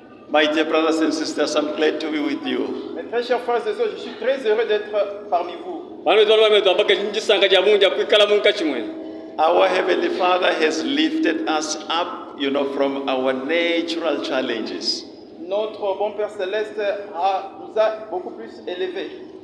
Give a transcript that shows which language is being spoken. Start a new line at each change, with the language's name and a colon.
English: My dear brothers and sisters, I'm glad to be with you.
French: Mes très chers frères et sœurs, je suis très heureux d'être parmi vous.
English: Our Heavenly Father has lifted us up, you know, from our natural challenges.
French: Notre bon Père Céleste nous a beaucoup plus élevés.